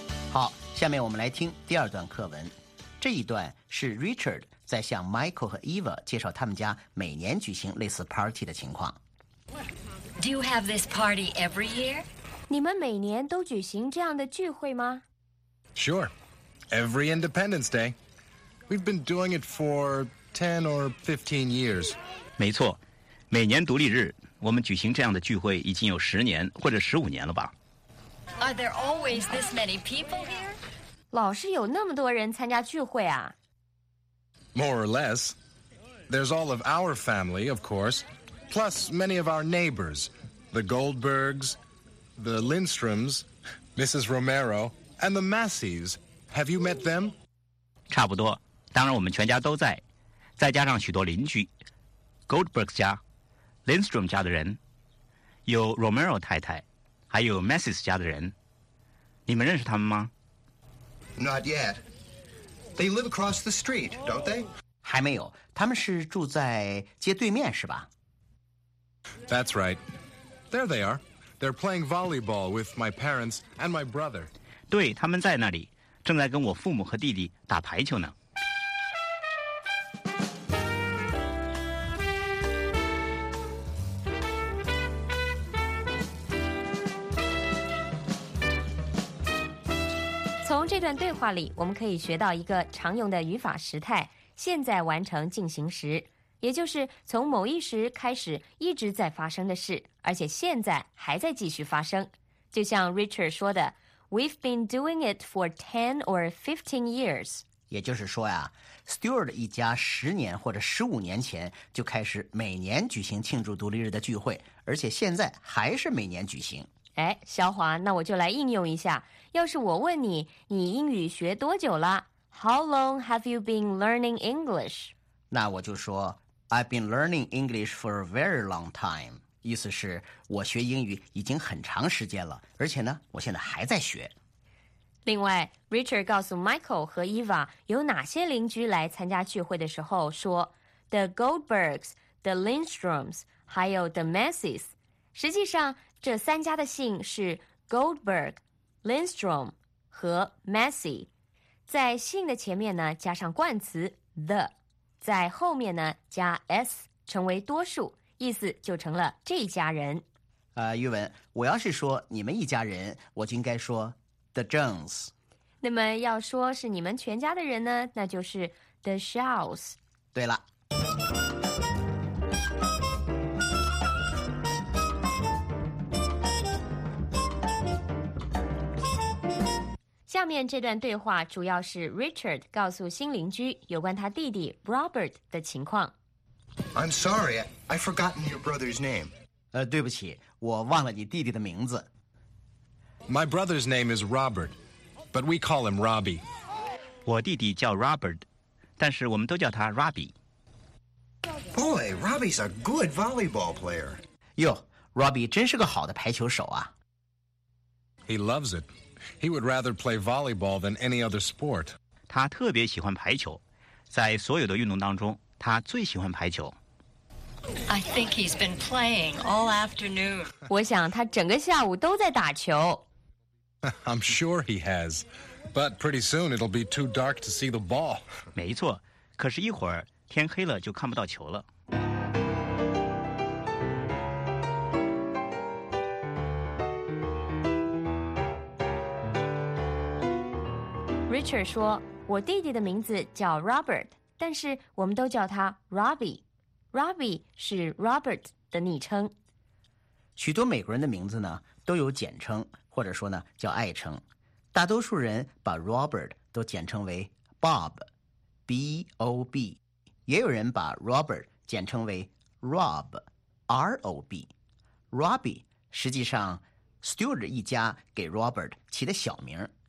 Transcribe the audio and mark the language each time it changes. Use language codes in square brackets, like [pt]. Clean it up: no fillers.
[zh] 好，下面我们来听第二段课文。这一段是 Richard 在向 Michael 和 Eva 介绍他们家每年举行类似 party 的情况。 [en] Do you have this party every year? [zh] 你们每年都举行这样的聚会吗？ [en] Sure. Every Independence Day. We've been doing it for 10 or 15 years. [zh] 没错，每年独立日，我们举行这样的聚会已经有10年或者15年了吧。 [en] Are there always this many people here? [zh] 老是有那么多人参加聚会啊。 [en] More or less. There's all of our family, of course. Plus many of our neighbors. The Goldbergs, the Lindstroms, Mrs. Romero, and the Massies. Have you met them? [zh] 差不多，当然我们全家都在，再加上许多邻居。 Goldberg 家， Lindstrom 家的人，有 Romero 太太，还有 Massies 家的人。你们认识他们吗？ [en] Not yet. They live across the street, don't they? [zh] 还没有，他们是住在街对面，是吧？ [en] That's right. There they are. They're playing volleyball with my parents and my brother. [zh] 对，他们在那里，正在跟我父母和弟弟打排球呢。从这段对话里，我们可以学到一个常用的语法时态，现在完成进行时，也就是从某一时开始一直在发生的事，而且现在还在继续发生。就像 Richard 说的 [en] We've been doing it for 10 or 15 years. [zh] 也就是说呀， Stewart 一家10年或者15年前就开始每年举行庆祝独立日的聚会，而且现在还是每年举行。哎，小华，那我就来应用一下。要是我问你，你英语学多久了？ [en] How long have you been learning English? [zh] 那我就说 [en] I've been learning English for a very long time. [zh] 意思是我学英语已经很长时间了，而且呢，我现在还在学。另外 Richard 告诉 Michael 和 Eva 有哪些邻居来参加聚会的时候说 The Goldbergs, The Lindstroms, 还有 The Messies。实际上这三家的姓是 Goldberg, Lindstrom 和 Messy， 在姓的前面呢加上冠词 The， 在后面呢加 S 成为多数，意思就成了这一家人。玉文，我要是说你们一家人，我就应该说 The Jones。那么要说是你们全家的人呢，那就是 The Shaws。对了，下面这段对话主要是 Richard 告诉新邻居有关他弟弟 Robert 的情况。 [en] I'm sorry, I've forgotten your brother's name. [zh] 对不起，我忘了你弟弟的名字。 [en] My brother's name is Robert, but we call him Robbie. [zh] 我弟弟叫 Robert, 但是我们都叫他 Robbie. [en] Boy, Robbie's a good volleyball player. [zh] 哟 ,Robbie 真是个好的排球手啊。 [en] He loves it. He would rather play volleyball than any other sport. [zh] 他特别喜欢排球，在所有的运动当中他最喜欢排球。 [en] I think he's been playing all afternoon. [zh] 我想他整个下午都在打球。 [en] I'm sure he has, but pretty soon it'll be too dark to see the ball. [zh] 没错，可是一会儿天黑了就看不到球了。 Richard 说，我弟弟的名字叫 Robert，但是我们都叫他 Robbie。 Robbie 是 Robert 的昵称。许多美国人的名字呢都有简称，或者说呢叫爱称。大多数人把 Robert 都简称为 Bob， B-O-B， 也有人把 Robert 简称为 Rob， R-O-B。 Robbie 实际上 Stewart 一家给 Robert 起的小名。